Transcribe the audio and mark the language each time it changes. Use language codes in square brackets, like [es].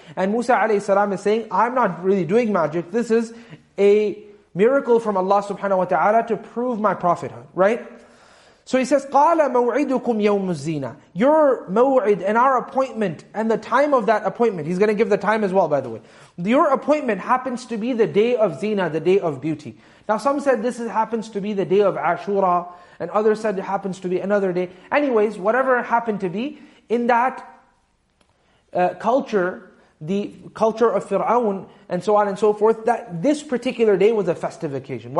[en] And Musa alayhi salam is saying, I'm not really doing magic. This is a miracle from Allah subhanahu wa ta'ala to prove my prophethood, right? So he says, [ar] قَالَ مَوْعِدُكُمْ يَوْمُ الزِّينَةِ. [en] Your maw'id and our appointment and the time of that appointment. He's going to give the time as well, by the way. Your appointment happens to be the day of zina, the day of beauty. Now some said this happens to be the day of Ashura, and others said it happens to be another day. Anyways, whatever it happened to be, in that culture, the culture of Fir'aun and so on and so forth, that this particular day was a festive occasion.